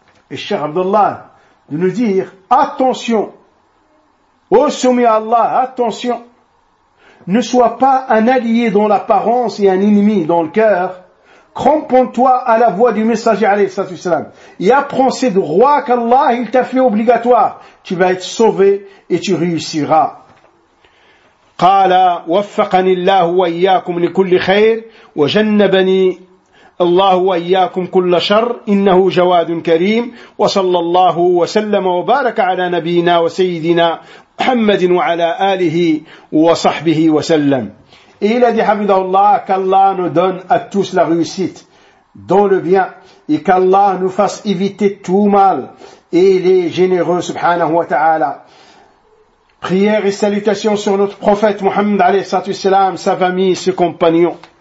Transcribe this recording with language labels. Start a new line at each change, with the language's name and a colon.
French: Et le Cheikh Abdallah de nous dire, attention, ô soumis à Allah, attention, ne sois pas un allié dans l'apparence et un ennemi dans le cœur, cramponne-toi à la voix du messager alayhi salatu wassalam, et apprends ces droits qu'Allah il t'a fait obligatoire, tu vas être sauvé et tu réussiras.
Arabic: Qala waffaqani Allah wa iyyakum li kulli khayr wa jannabani الله وإياكم كل شر إنه جواد كريم وصلى الله وسلم وبارك على نبينا وسيدنا محمد وعلى آله وصحبه وسلم.
French: Et il a dit, حمده الله, qu'Allah nous donne à tous la réussite dans le bien et qu'Allah nous fasse éviter tout mal. Et il est généreux, سبحانه وتعالى. Prière et salutations sur notre prophète Muhammad عليه الصلاة والسلام, sa famille, ses compagnons.